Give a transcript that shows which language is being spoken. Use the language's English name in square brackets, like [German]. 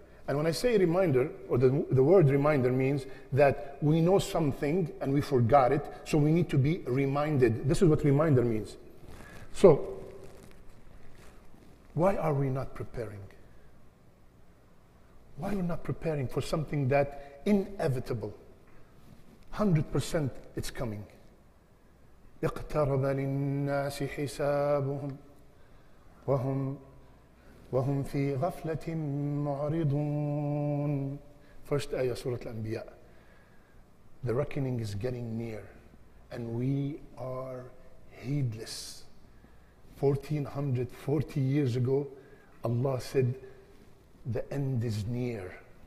[English] And when I say reminder, or the word reminder means that we know something and we forgot it, so we need to be reminded. This is what reminder means. So, why are we not preparing? Why are we not preparing for something that inevitable? 100% it's coming. [Arabic] اقترب للناس حسابهم وهم في غفلة معرضون. [English] First ayah, Surah Al-Anbiya. The reckoning is getting near and we are heedless. 1440 years ago, Allah said, the end is near.